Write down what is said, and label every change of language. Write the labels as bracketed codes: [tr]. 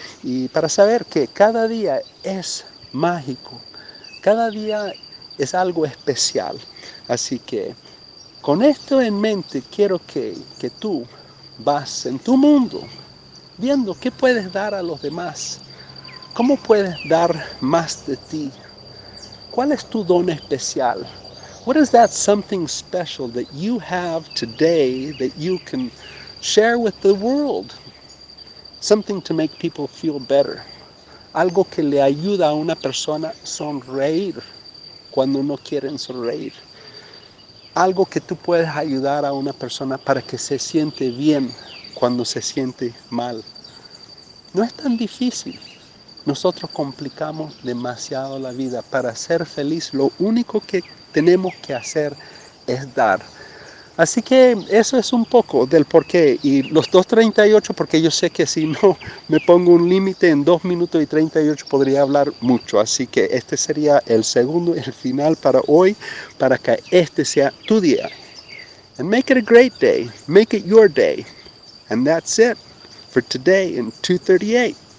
[es] Y para saber que cada día es mágico, cada día es algo especial. Así que con esto en mente quiero que tú vas en tu mundo viendo qué puedes dar a los demás. ¿Cómo puedes dar más de ti? ¿Cuál es tu don especial? [en] What is that something special that you have today that you can share with the world? Something to make people feel better. [es] Algo que le ayuda a una persona a sonreír cuando no quieren sonreír. Algo que tú puedes ayudar a una persona para que se siente bien cuando se siente mal. No es tan difícil. Nosotros complicamos demasiado la vida. Para ser feliz, lo único que tenemos que hacer es dar. Así que eso es un poco del porqué. Y los 2:38, porque yo sé que si no me pongo un límite en 2 minutos y 38, podría hablar mucho. Así que este sería el segundo, el final para hoy, para que este sea tu día. [en] And make it a great day. Make it your day. And that's it for today in 2:38.